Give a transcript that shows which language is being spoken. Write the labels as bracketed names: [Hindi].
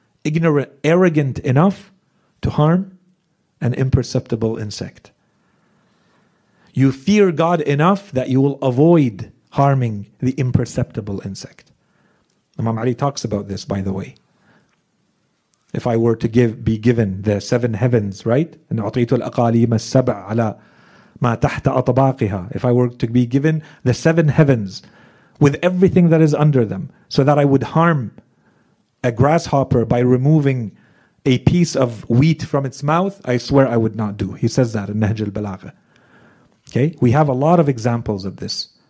[English] Arrogant enough to harm an imperceptible insect. You fear God enough that you will avoid harming the imperceptible insect. Imam Ali talks about this, by the way. If I were to be given the seven heavens, right? [Arabic] And أُعْطِيتُ الْأَقَالِيمَ السَّبْعَ عَلَىٰ مَا تَحْتَ أَطْبَاقِهَا. [English] If I were to be given the seven heavens with everything that is under them, so that I would harm a grasshopper by removing a piece of wheat from its mouth, I swear I would not do. He says that in Nahj al-Balagha. Okay? We have a lot of examples of this.